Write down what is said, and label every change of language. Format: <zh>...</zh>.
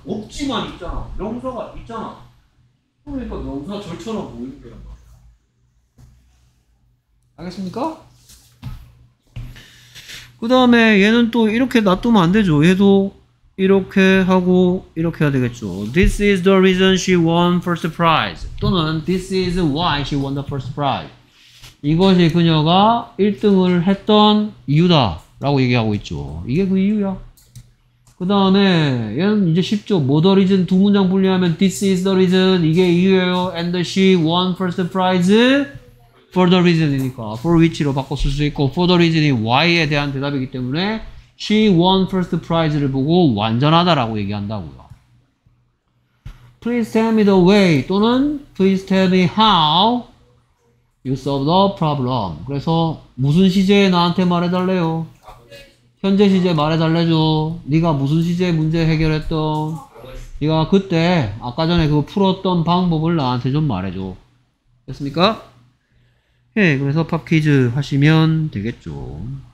<ko>없지만 있잖아. 명사가 있잖아. 그러니까 명사절처럼 보이는 거란 말이야. 알겠습니까? 그 다음에 얘는 또 이렇게 놔두면 안 되죠. 얘도 이렇게 하고 이렇게 해야 되겠죠.</ko> <en>This is the reason she won first prize.</en> <ko>또는</ko> <en>This is why she won the first prize.</en> <ko>이것이 그녀가 1등을 했던 이유다 라고 얘기하고 있죠. 이게 그 이유야. 그 다음에 얘는 이제 쉽죠. 뭐 the reason 두 문장 분리하면</ko> <en>This is the reason</en> <ko>이게 이유예요.</ko> <en>And she won first prize.</en> <ko>For the reason이니까 for which로 바꿔 쓸 수 있고 for the reason이 why에 대한 대답이기 때문에 she won first prize를 보고 완전하다라고 얘기한다고요.</ko> <en>Please tell me the way</en> <ko>또는</ko> <en>please tell me how you solve the problem.</en> <ko>그래서 무슨 시제에 나한테 말해달래요? 현재 시제 말해달래죠. 네가 무슨 시제 문제 해결했던 네가 그때 아까 전에 그 풀었던 방법을 나한테 좀 말해줘. 됐습니까? 예, 그래서 팝 퀴즈 하시면 되겠죠.</ko>